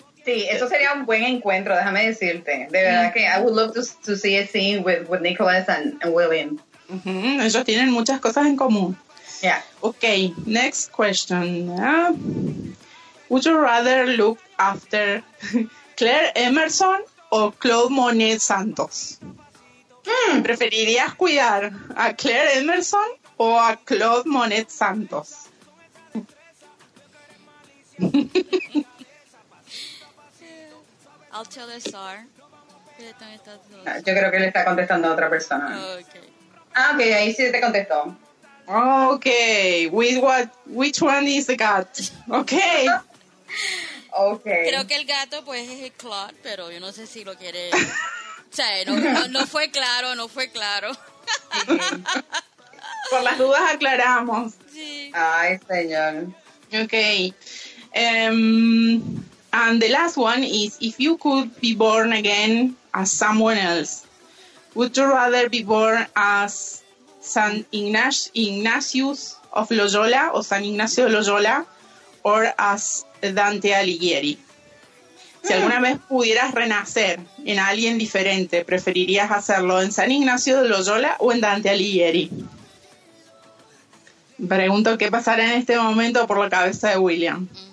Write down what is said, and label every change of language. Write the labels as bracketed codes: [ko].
[es] Sí, eso sería un buen encuentro, déjame decirte. De verdad que [en] I would love to see a scene with Nicolás and William. [es] Uh-huh. Ellos tienen muchas cosas en común. [en] Yeah. Okay, next question. Would you rather look after Claire Emerson o Claude Monet Santos? [es] ¿Preferirías cuidar a Claire Emerson o a Claude Monet Santos? [en] I'll tell the star. [es] Yo creo que le está contestando a otra persona. [en] Okay. [es] Ah, ok, ahí sí te contestó. [en] Okay, which one is the cat? Okay. Okay. [es] Creo que el gato pues es el Claude, pero yo no sé si lo quiere. O sea, no fue claro. Sí. Por las dudas aclaramos. Sí. Ay, señor. [en] Okay. And the last one is, if you could be born again as someone else, would you rather be born as San Ignatius of Loyola o San Ignacio de Loyola or as Dante Alighieri? [es] Si alguna vez pudieras renacer en alguien diferente, ¿preferirías hacerlo en San Ignacio de Loyola o en Dante Alighieri? Pregunto qué pasará en este momento por la cabeza de William.